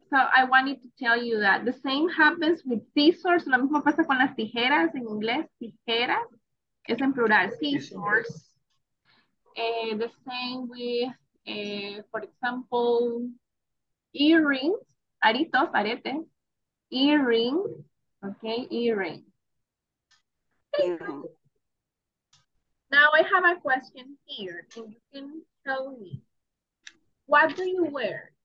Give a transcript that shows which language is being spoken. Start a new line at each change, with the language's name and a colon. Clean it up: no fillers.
English: So I wanted to tell you that the same happens with scissors.
Spanish: Lo mismo pasa con las tijeras en inglés. Tijeras es en plural. Scissors.
English: The same with, for example, earrings, aritos, arete, earrings, okay, earrings. Now I have a question here, and you can tell me, what do you wear?